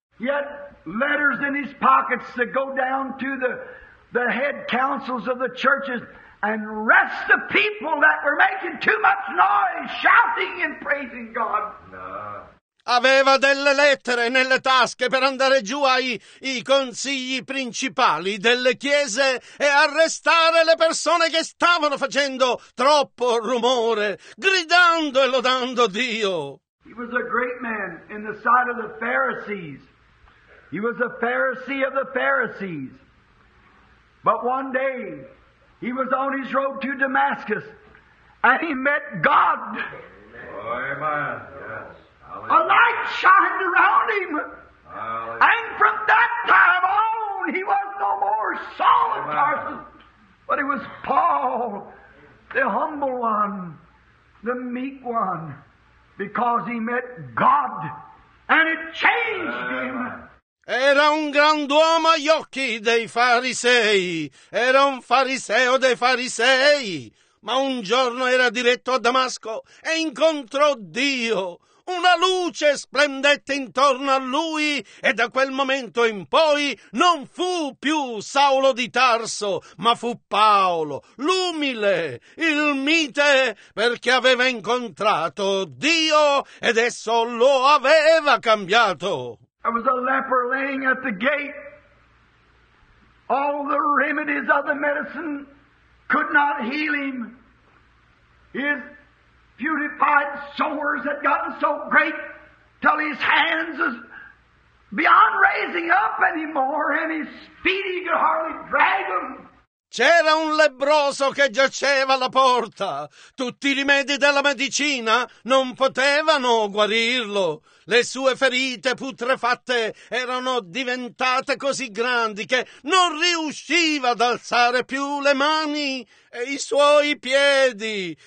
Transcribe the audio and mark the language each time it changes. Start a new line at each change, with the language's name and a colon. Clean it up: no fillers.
English: He had letters in his pockets to go down to the head councils of the churches and rest the people that were making too much noise, shouting and praising God.
Italian: Aveva delle lettere nelle tasche per andare giù ai consigli principali delle chiese e arrestare le persone che stavano facendo troppo rumore, gridando e lodando Dio.
English: He was a great man in the sight of the Pharisees. He was a Pharisee of the Pharisees. But one day he was on his road to Damascus, and he met God. Amen. Yes. A light shined around him. Hallelujah. And from that time on, he was no more Saul of Tarsus, but he was Paul, the humble one, the meek one, because he met God, and it changed Amen. Him.
Italian: Era un grand'uomo agli occhi dei farisei, era un fariseo dei farisei, ma un giorno era diretto a Damasco e incontrò Dio. Una luce splendette intorno a lui e da quel momento in poi non fu più Saulo di Tarso, ma fu Paolo, l'umile, il mite, perché aveva incontrato Dio ed esso lo aveva cambiato.
English: There was a leper laying at the gate. All the remedies of the medicine could not heal him. His putrefied sores had gotten so great till his hands was beyond raising up anymore, and his feet he could hardly drag them.
Italian: C'era un lebbroso che giaceva alla porta. Tutti i rimedi della medicina non potevano guarirlo. Le sue ferite putrefatte erano diventate così grandi che non riusciva ad alzare più le mani e i suoi piedi.